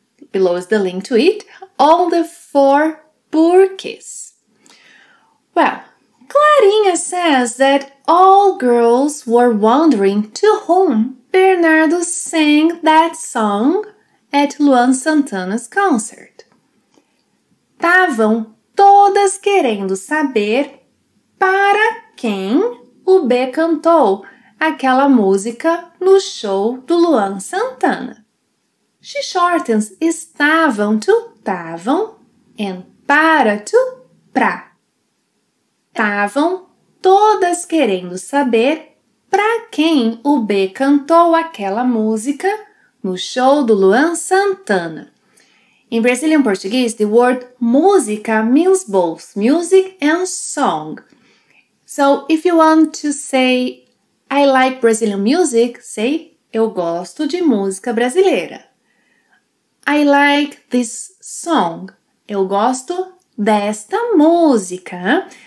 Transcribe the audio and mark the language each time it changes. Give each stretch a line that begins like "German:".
English: Below is the link to it. All the four porquês. Well, Clarinha says that all girls were wondering to whom Bernardo sang that song at Luan Santana's concert.
Portuguese: Estavam todas querendo saber para quem o B cantou aquela música no show do Luan Santana.
English: She shortens estavam to estavam and para to pra.
Portuguese: Estavam todas querendo saber para quem o B cantou aquela música no show do Luan Santana.
English: In Brazilian Portuguese, the word música means both music and song. So, if you want to say, I like Brazilian music, say,
Portuguese: eu gosto de música brasileira.
English: I like this song.
Portuguese: Eu gosto desta música.